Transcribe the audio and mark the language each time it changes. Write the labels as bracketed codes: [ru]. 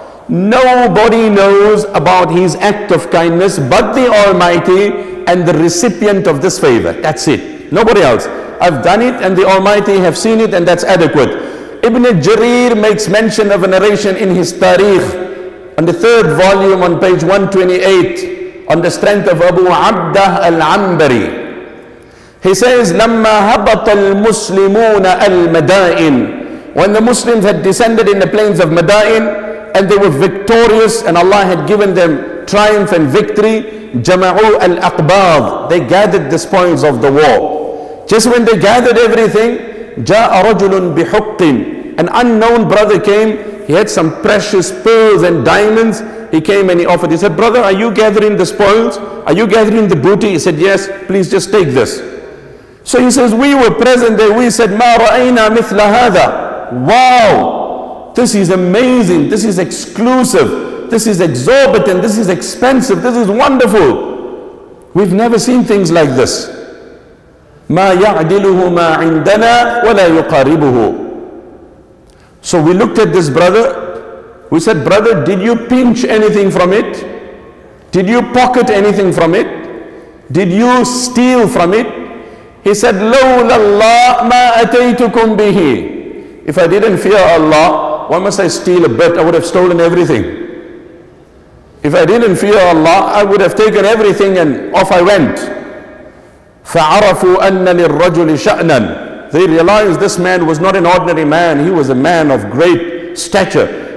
[en] Nobody knows about his act of kindness but the Almighty and the recipient of this favor. That's it. Nobody else. I've done it and the Almighty have seen it and that's adequate. Ibn Jarir makes mention of a narration in his Tariq on the third volume on page 128 on the strength of Abu Abdah al-Ambari. [ar] He says, لَمَّا هَبَطَ الْمُسْلِمُونَ الْمَدَائِنِ. [en] When the Muslims had descended in the plains of Madain and they were victorious and Allah had given them triumph and victory, [ar] جَمَعُوا الْأَقْبَاضِ. [en] They gathered the spoils of the war. Just when they gathered everything, [ar] جَاءَ رَجُلٌ بِحُقٍ. [en] An unknown brother came. He had some precious pearls and diamonds. He came and he offered. He said, brother, are you gathering the spoils? Are you gathering the booty? He said, yes, please just take this. So he says, we were present there. [ar] We said, مَا رَأَيْنَا مِثْلَ هَذَا. [en] Wow, this is amazing. This is exclusive. This is exorbitant. This is expensive. This is wonderful. We've never seen things like this. [ar] مَا يَعْدِلُهُ مَا عِنْدَنَا وَلَا يُقَارِبُهُ. [en] So we looked at this brother. We said, brother, did you pinch anything from it? Did you pocket anything from it? Did you steal from it? [ar] He said, لَوْلَ اللَّهِ مَا أَتَيْتُكُمْ بِهِ. [en] If I didn't fear Allah, why must I steal a bit? I would have stolen everything. If I didn't fear Allah, I would have taken everything and off I went. [ar] فَعَرَفُوا أَنَّ لِلْرَّجُلِ شَأْنًا. [en] They realized this man was not an ordinary man. He was a man of great stature.